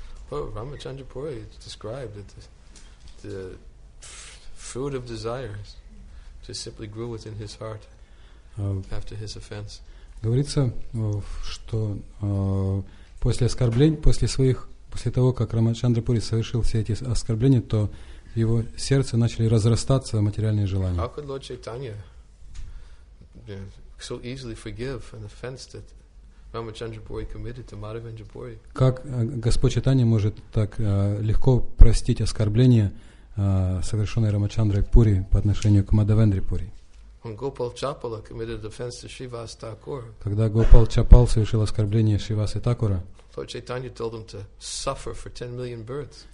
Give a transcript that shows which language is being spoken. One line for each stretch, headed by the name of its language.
English: Well, Ramachandra Puri is described that the fruit of desires just simply grew within his heart after his offense.
Russian: Говорится, что после оскорблений, после своих, после того, как Рамачандра Пури совершил все эти оскорбления, то в его сердце начали разрастаться материальные желания.
English: How could Lord Chaitanya so easily forgive an offense that Ramachandra Puri committed to Madhavendra Puri?
Russian: Как Господь Чайтанья может так легко простить оскорбление, совершенное Рамачандрой Пури по отношению к Мадхавендре Пури?
English: When Gopal Chapala committed offense to Shrivas Thakur,
Russian: когда Гопал Чапал совершил оскорбление Шривасы Такура,
English: Lord Chaitanya told him to suffer for 10 million births.